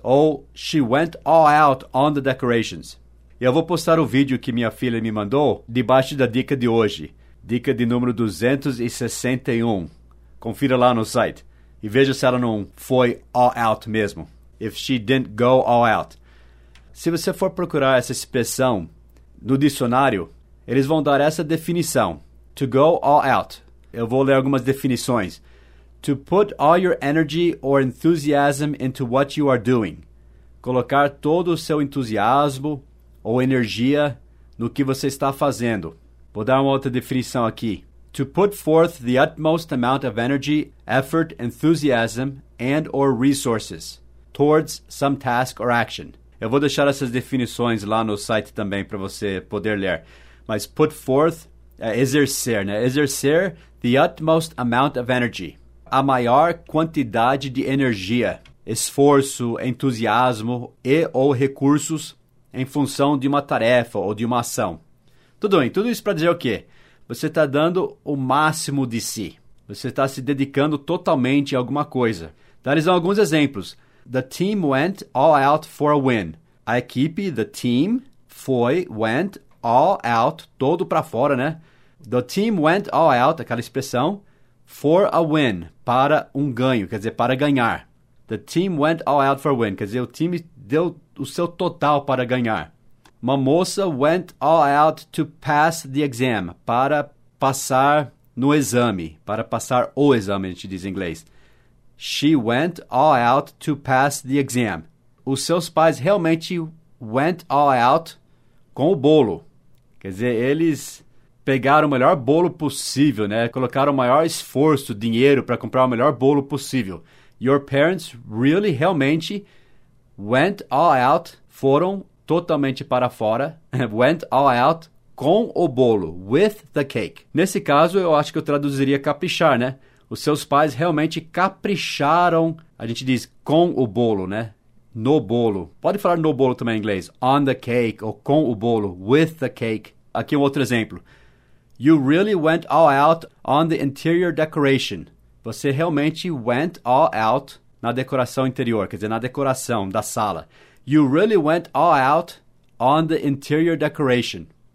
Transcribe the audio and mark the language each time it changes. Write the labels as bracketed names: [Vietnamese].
[English] Ou, she went all out on the decorations. [Portuguese] Eu vou postar o vídeo que minha filha me mandou debaixo da dica de hoje. Dica de número 261. Confira lá no site. E veja se ela não foi all out mesmo. [English] If she didn't go all out. [Portuguese] Se você for procurar essa expressão no dicionário, eles vão dar essa definição. [English] To go all out. [Portuguese] Eu vou ler algumas definições. [English] To put all your energy or enthusiasm into what you are doing. [Portuguese] Colocar todo o seu entusiasmo ou energia no que você está fazendo. Vou dar uma outra definição aqui. [English] To put forth the utmost amount of energy, effort, enthusiasm, and or resources towards some task or action. [Portuguese] Eu vou deixar essas definições lá no site também para você poder ler. Mas [English] put forth, [Portuguese] exercer, né? Exercer [English] the utmost amount of energy. [Portuguese] A maior quantidade de energia, esforço, entusiasmo e ou recursos em função de uma tarefa ou de uma ação. Tudo bem, tudo isso para dizer o quê? Você está dando o máximo de si. Você está se dedicando totalmente a alguma coisa. Então, eles dão alguns exemplos. [English] The team went all out for a win. [Portuguese] A equipe, [English] the team, [Portuguese] foi, [English] went all out, [Portuguese] todo para fora, né? [English] The team went all out, [Portuguese] aquela expressão, [English] for a win, [Portuguese] para um ganho, quer dizer, para ganhar. [English] The team went all out for a win, [Portuguese] quer dizer, o time deu o seu total para ganhar. Uma moça [English] went all out to pass the exam, [Portuguese] para passar no exame, para passar o exame, a gente diz em inglês. [English] She went all out to pass the exam. [Portuguese] Os seus pais realmente [English] went all out [Portuguese] com o bolo, quer dizer, eles pegaram o melhor bolo possível, né? Colocaram o maior esforço, dinheiro para comprar o melhor bolo possível. [English] Your parents really, [Portuguese] realmente, [English] went all out, [Portuguese] foram totalmente para fora, [English] went all out [Portuguese] com o bolo, [English] with the cake. [Portuguese] Nesse caso, eu acho que eu traduziria caprichar, né? Os seus pais realmente capricharam, a gente diz com o bolo, né? No bolo. Pode falar no bolo também em inglês. [English] On the cake, [Portuguese] ou com o bolo, [English] with the cake. [Portuguese] Aqui um outro exemplo. [English] You really went all out on the interior decoration. [Portuguese] Você realmente [English] went all out [Portuguese] na decoração interior, quer dizer, na decoração da sala. [English] You really went all out on the interior decoration.